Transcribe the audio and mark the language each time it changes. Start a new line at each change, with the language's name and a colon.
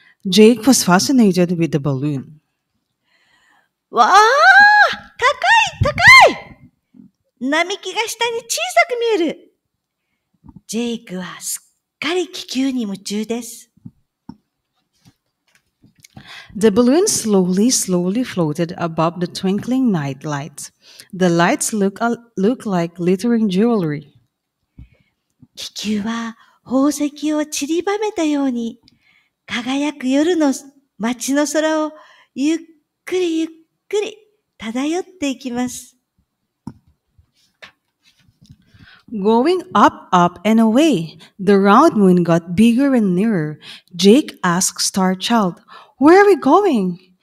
English: Jake was fascinated with the balloon.
Japanese: わー！高い！高い！並木が下に小さく見える。ジェイクはすっかり気球に夢中です。
English: The balloon slowly, slowly floated above the twinkling night lights. The lights look like glittering jewelry.
Japanese: 気球は宝石を散りばめたように、輝く夜の街の空をゆっくりゆっくり漂っていきます。
English: Going up, up and away, the round moon got bigger and nearer. Jake asked Star Child, where are we going?